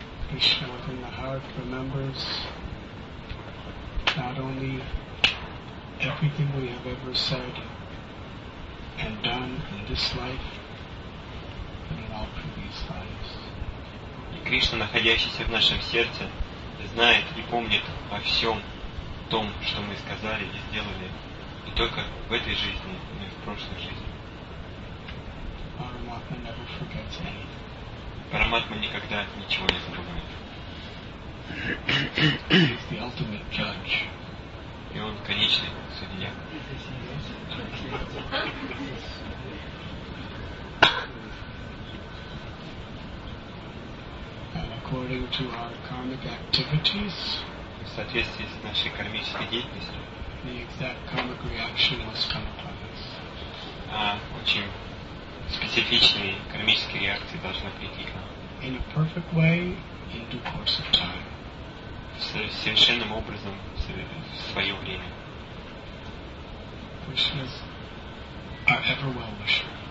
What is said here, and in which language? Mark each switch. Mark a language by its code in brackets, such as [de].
[en] Krishna within the heart remembers not only everything we have ever said and done in this life, but in all previous lives. [ru] И Кришна, находящийся в нашем сердце, знает и помнит во всем том, что мы сказали и сделали, не только в этой жизни, но и в прошлой жизни. [en] Параматма never forgets anything. [ru] Параматма никогда ничего не забывает. [en] He's the ultimate judge. [ru] И он конечный судья. [en] According to our karmic activities, [ru] в соответствии с нашей кармической деятельностью, [en] the exact karmic reaction must come upon us. [ru] Очень специфичные кармические реакции должны прийти к нам. [en] In a perfect way, in due course of time. [ru] Совершенным образом, в свое время. [en] Krishna's our ever well wisher.